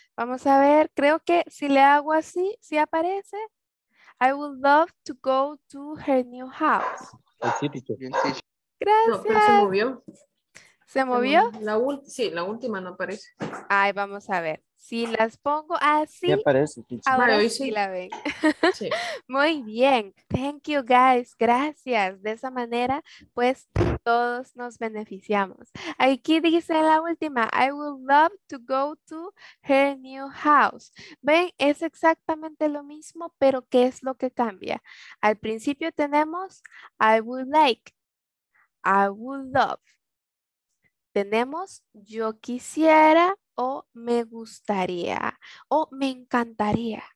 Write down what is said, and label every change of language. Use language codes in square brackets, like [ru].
[es] Vamos a ver, creo que si le hago así, si aparece. [en] I would love to go to her new house. [es] Sí, teacher. Gracias. No, pero se movió. ¿Se movió? La última no aparece. Ay, vamos a ver. Si las pongo así, ya aparece, teacher. Ahora vale, sí la ven. Sí. Muy bien. [en] Thank you, guys. [es] Gracias. De esa manera, pues, todos nos beneficiamos. Aquí dice la última. [en] I would love to go to her new house. [es] ¿Ven? Es exactamente lo mismo, pero ¿qué es lo que cambia? Al principio tenemos [en] I would like. I would love. [es] Tenemos yo quisiera o me gustaría o me encantaría.